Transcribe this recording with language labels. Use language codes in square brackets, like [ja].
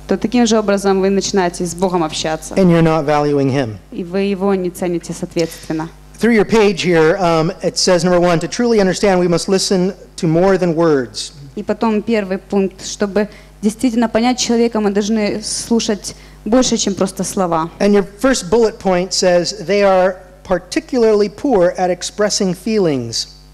[ru] То таким же образом вы начинаете с Богом общаться. [en] And you're not valuing him. [ru] И вы его не цените соответственно. [en] Through your page here, it says number one: to truly understand, we must listen to more than words. [ru] И потом первый пункт, чтобы действительно понять человека, мы должны слушать больше, чем просто слова. [en] And your first bullet point says they are particularly poor at expressing feelings.